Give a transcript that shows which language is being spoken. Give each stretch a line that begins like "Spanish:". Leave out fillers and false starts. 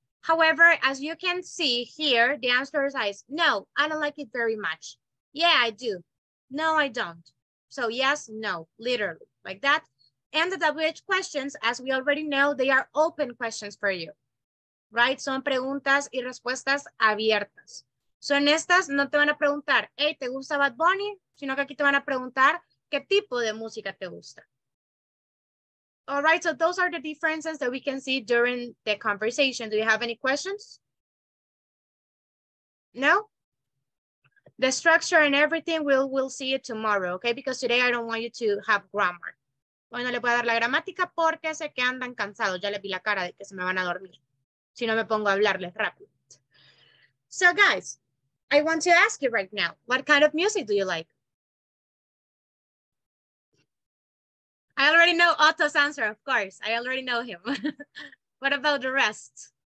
English: However, as you can see here, the answer is no, I don't like it very much. Yeah, I do. No, I don't. So yes, no, literally, like that. And the WH questions, as we already know, they are open questions for you. Right?
Spanish: Son preguntas y respuestas abiertas. So en estas no te van a preguntar, hey, ¿te gusta Bad Bunny? Sino que aquí te van a preguntar, ¿qué tipo de música te gusta?
English: All right, so those are the differences that we can see during the conversation. Do you have any questions? No? The structure and everything, we'll see it tomorrow, okay? Because today I don't want you to have grammar.
Spanish: Hoy no le voy a dar la gramática porque sé que andan cansados. Ya les vi la cara de que se me van a dormir. Si no me pongo a hablarles rápido.
English: So guys, I want to ask you right now, what kind of music do you like? I already know Otto's answer, of course. I already know him. What about the rest?